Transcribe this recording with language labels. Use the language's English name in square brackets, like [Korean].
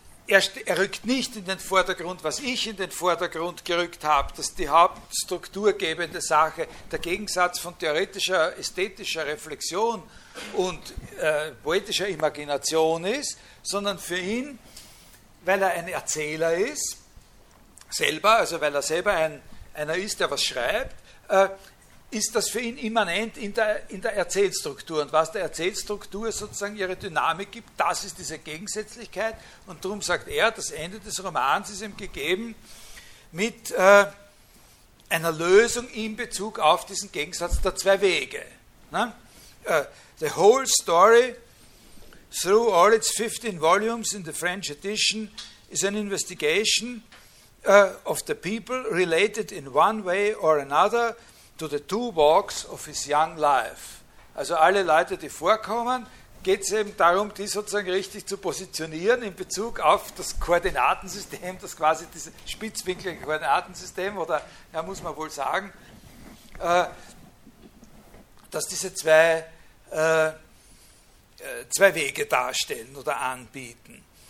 [German] er rückt nicht in den Vordergrund, was ich in den Vordergrund gerückt habe, das ist die hauptstrukturgebende Sache, der Gegensatz von theoretischer, ästhetischer Reflexion und poetischer Imagination ist, sondern für ihn, weil er ein Erzähler ist, selber, also weil er selber einer ist, der was schreibt, ist das für ihn immanent in der Erzählstruktur. Und was der Erzählstruktur sozusagen ihre Dynamik gibt, das ist diese Gegensätzlichkeit. Und darum sagt er, das Ende des Romans ist ihm gegeben mit einer Lösung in Bezug auf diesen Gegensatz der zwei Wege. Ne? [English] The whole story, through all its 15 volumes in the French edition, is an investigation of the people related in one way or another to the two walks of his young life. [German] Also alle Leute, die vorkommen, geht es eben darum, die sozusagen richtig zu positionieren in Bezug auf das Koordinatensystem, das quasi dieses spitzwinklige Koordinatensystem, oder ja, muss man wohl sagen, dass diese zwei Wege darstellen oder anbieten.